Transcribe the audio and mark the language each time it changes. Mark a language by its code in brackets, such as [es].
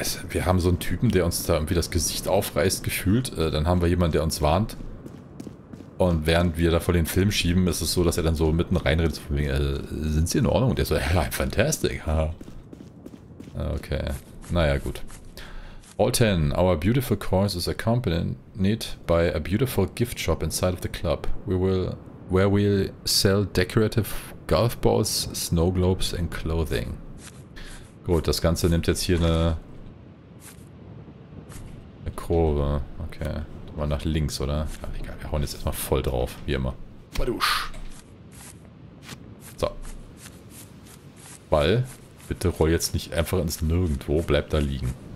[de] wir haben so einen Typen, der uns da irgendwie das Gesicht aufreißt, gefühlt. Dann haben wir jemanden, der uns warnt. Und während wir da vor den Film schieben, ist es so, dass er dann so mitten reinredet, von wegen, sind sie in Ordnung? Und der so, ja, fantastic. Okay, naja, gut. [en] All 10, our beautiful course is accompanied by a beautiful gift shop inside of the club. Where we'll sell decorative golf balls, snow globes and clothing. [de] Gut, das Ganze nimmt jetzt hier eine Kurve. Okay, mal nach links, oder? Ja, egal, wir hauen jetzt erstmal voll drauf, wie immer. Badusch! So. Ball, bitte roll jetzt nicht einfach ins Nirgendwo, bleib da liegen.